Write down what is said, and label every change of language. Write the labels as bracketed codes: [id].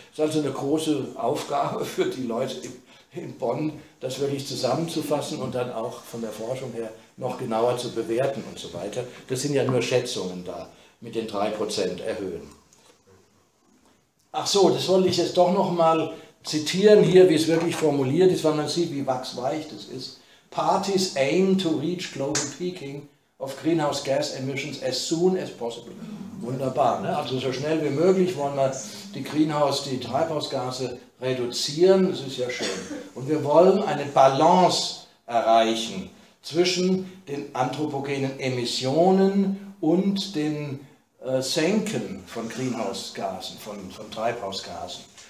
[de] Das ist also eine große Aufgabe für die Leute in Bonn, das wirklich zusammenzufassen und dann auch von der Forschung her noch genauer zu bewerten und so weiter. Das sind ja nur Schätzungen da, mit den 3% erhöhen. Ach so, das wollte ich jetzt doch nochmal zitieren hier, wie es wirklich formuliert ist, weil man sieht, wie wachsweich das ist. [en] Parties aim to reach global peaking of greenhouse gas emissions as soon as possible. [de] Wunderbar, ne? Also so schnell wie möglich wollen wir die Treibhausgase reduzieren, das ist ja schön. Und wir wollen eine Balance erreichen zwischen den anthropogenen Emissionen und den Senken von Greenhouse-Gasen, von Treibhausgasen.